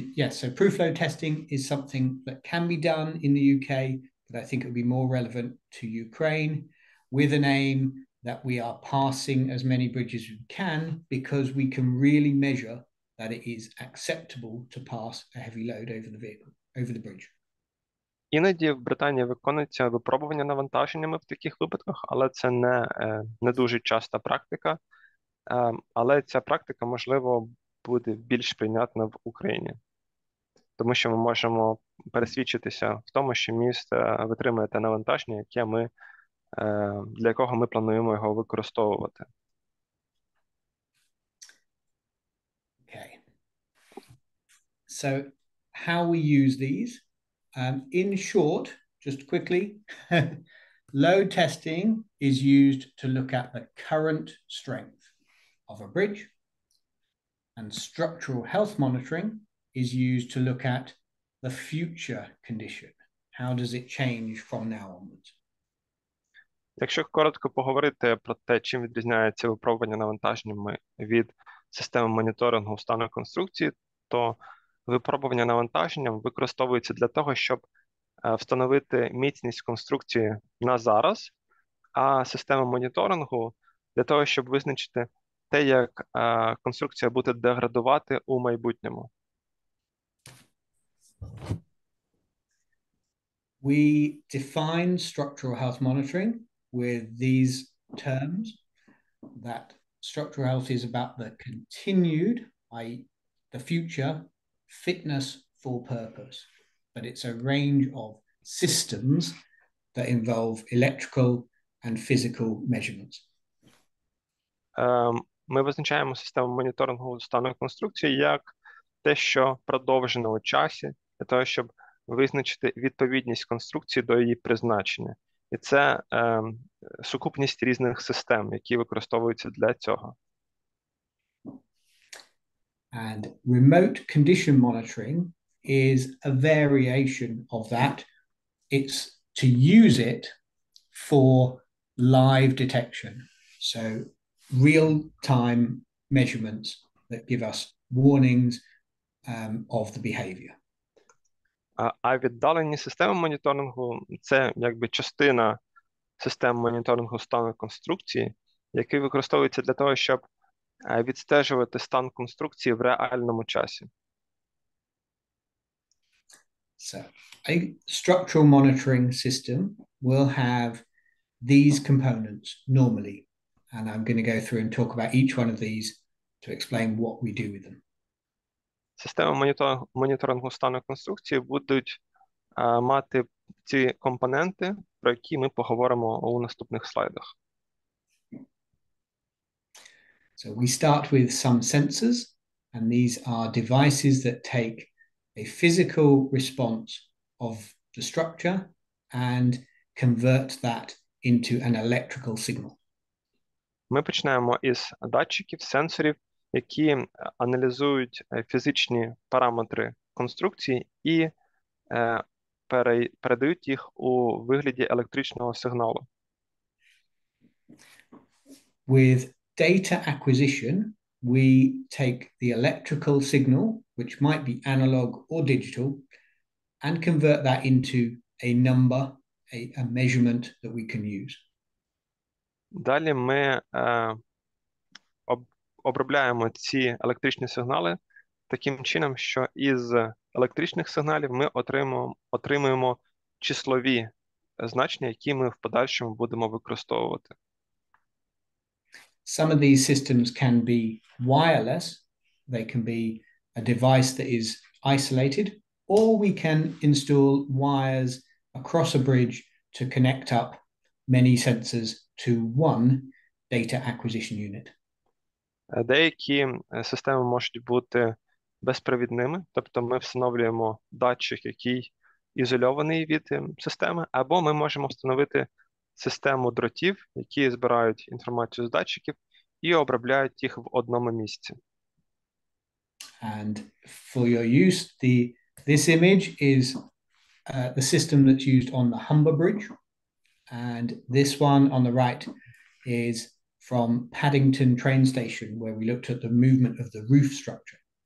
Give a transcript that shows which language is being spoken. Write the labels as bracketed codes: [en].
[en] So proof load testing is something that can be done in the UK, but I think it would be more relevant to Ukraine, with an aim that we are passing as many bridges as we can, because we can really measure that it is acceptable to pass a heavy load over the vehicle, over the bridge. [uk] Іноді в Британії виконується випробування навантаженнями в таких випадках, але це не дуже часта практика. Але ця практика, можливо, буде більш прийнятна в Україні, тому що ми можемо пересвідчитися в тому, що міст витримує те навантаження, яке ми для якого ми плануємо його використовувати. [en] Okay. So how we use these? In short, just quickly, load testing is used to look at the current strength of a bridge, and structural health monitoring is used to look at the future condition. How does it change from now onwards? [uk] Якщо коротко поговорити про те, чим відрізняється випробування навантаженнями від системи моніторингу стану конструкції, то випробування навантаженням використовується для того, щоб встановити міцність конструкції на зараз, а система моніторингу для того, щоб визначити те, як конструкція буде деградувати у майбутньому. [en] We define structural health monitoring with these terms, that structural health is about the continued, i.e. the future, fitness for purpose. But it's a range of systems that involve electrical and physical measurements. [uk] Ми визначаємо систему моніторингу стану конструкції як те, що продовжено у часі, для того, щоб визначити відповідність конструкції до її призначення. І це сукупність різних систем, які використовуються для цього. [en] And remote condition monitoring is a variation of that. It's to use it for live detection. So real-time measurements that give us warnings of the behavior. [uk] А віддалені системи моніторингу – це якби частина систем моніторингу стану конструкції, які використовуються для того, щоб відстежувати стан конструкції в реальному часі. [en] So, a structural monitoring system will have these components normally, and I'm going to go through and talk about each one of these to explain what we do with them. [uk] Система моніторингу стану конструкції будуть мати ці компоненти, про які ми поговоримо у наступних слайдах. [en] So we start with some sensors, and these are devices that take a physical response of the structure and convert that into an electrical signal. [uk] Ми починаємо із датчиків, сенсорів, які аналізують фізичні параметри конструкції і передають їх у вигляді електричного сигналу. [en] With data acquisition, we take the electrical signal, which might be analog or digital, and convert that into a number, a measurement that we can use. [uk] Далі ми обробляємо ці електричні сигнали таким чином, що із електричних сигналів ми отримуємо числові значення, які ми в подальшому будемо використовувати. [en] Some of these systems can be wireless, they can be a device that is isolated, or we can install wires across a bridge to connect up many sensors to one data acquisition unit. [uk] Деякі системи можуть бути безпровідними, тобто ми встановлюємо датчик, який ізольований від системи, або ми можемо встановити систему дротів, які збирають інформацію з датчиків і обробляють їх в одному місці. [en] And for your use, this image is the system that's used on the Humber Bridge. And this one on the right is from Paddington train station, where we looked at the movement of the roof structure.